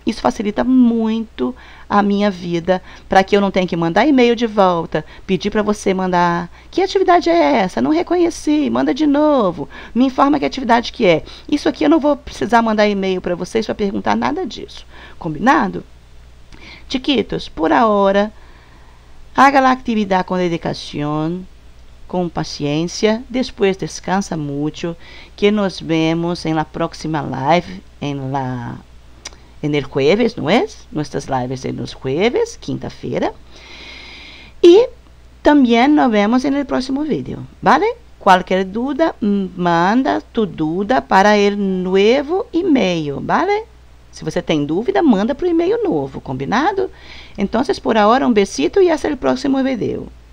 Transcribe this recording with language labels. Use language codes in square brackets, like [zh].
[pt] Isso facilita muito a minha vida, para que eu não tenha que mandar e-mail de volta, pedir para você mandar, que atividade é essa? Não reconheci, manda de novo, me informa que atividade que é. Isso aqui eu não vou precisar mandar e-mail para vocês para perguntar nada disso. Combinado? [es] Chiquitos, por agora, haga la actividad con dedicación, [pt] com paciência, depois descansa [es] mucho, que nos vemos en la próxima live, en el jueves, ¿no es? Nuestras lives en los jueves, quinta-feira. Y también nos vemos en el próximo video, ¿vale? Cualquier duda, manda tu duda para el nuevo email, ¿vale? [pt] Si você tem dúvida, manda para o e-mail novo, combinado? [es] Entonces, por ahora, un besito y hasta el próximo video.